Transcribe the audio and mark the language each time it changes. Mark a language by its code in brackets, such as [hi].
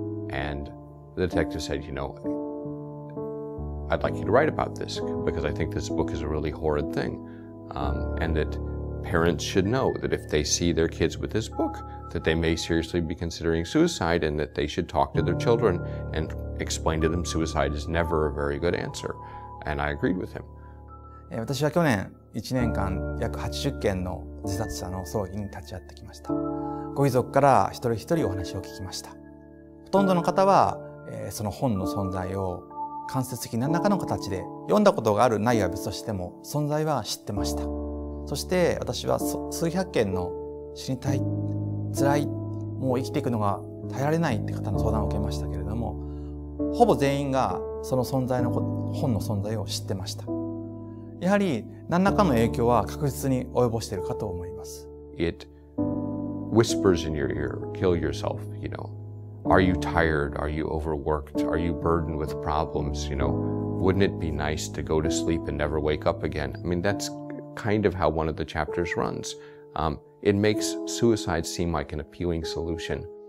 [en] And the detective said, you know, I'd like you to write about this because I think this book is a really horrid thing. And that parents should know that if they see their kids with this book, that they may seriously be considering suicide and that they should talk to their children and explain to them suicide is never a very good answer. And I agreed with him. [ja] 私は去年1年間約80件の自殺者の葬儀に立ち会ってきました。ご遺族から一人一人お話を聞きました。ほとんどの方は、その本の存在を間接的に何らかの形で読んだことがある内容は別としても存在は知ってました。そして私は数百件の死にたい、辛い、もう生きていくのが耐えられないって方の相談を受けましたけれども、ほぼ全員がその存在の本の存在を知ってました。やはり何らかの影響は確実に及ぼしているかと思います。 [en] It whispers in your ear, kill yourself, you know. Are you tired? Are you overworked? Are you burdened with problems? You know, wouldn't it be nice to go to sleep and never wake up again? I mean, that's kind of how one of the chapters runs. It makes suicide seem like an appealing solution.